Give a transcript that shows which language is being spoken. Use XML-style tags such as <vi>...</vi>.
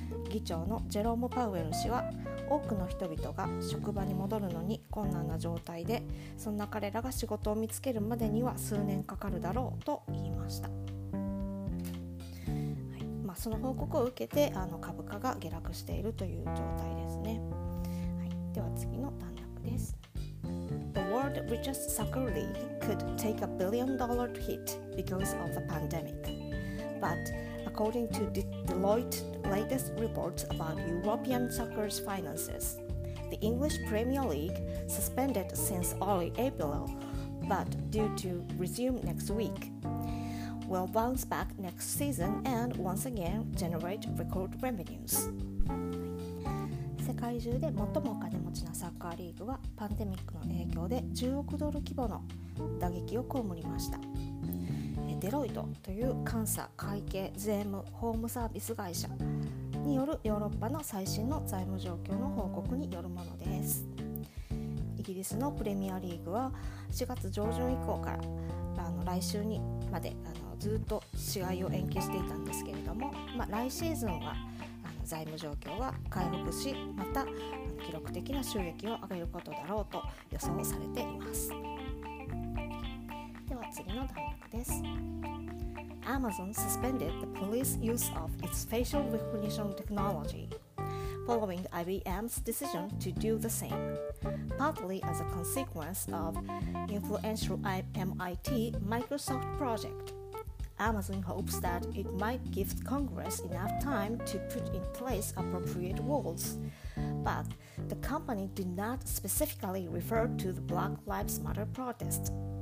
<ja>議長のジェローム・パウエル氏は多くの人々が職場に戻るのに困難な状態で、そんな彼らが仕事を見つけるまでには数年かかるだろうと言いました。はい、まあ、その報告を受けて株価が下落しているという状態ですね。はい、では次の段落です。</ja> <en>The richest soccer league could take $1 billion hit because of the pandemic. But according to Deloitte's latest report about European soccer's finances, the English Premier League suspended since early April, but due to resume next week, will bounce back next season and once again generate record revenues.</en> <ja>世界中で最もお金持ちなサッカーリーグはパンデミックの影響で10億ドル規模の打撃を被りました。デロイトという監査、会計、税務、ホームサービス会社によるヨーロッパの最新の財務状況の報告によるものです。イギリスのプレミアリーグは4月上旬以降から来週にまでずっと試合を延期していたんですけれども、来シーズンは財務状況は回復し、また記録的な収益を上げることだろうと予想されています。では次の段落です。</ja> <en>Amazon suspended the police use of its facial recognition technology following IBM's decision to do the same, partly as a consequence of influential MIT Microsoft projectAmazon hopes that it might give Congress enough time to put in place appropriate rules, but the company did not specifically refer to the Black Lives Matter protest.</en>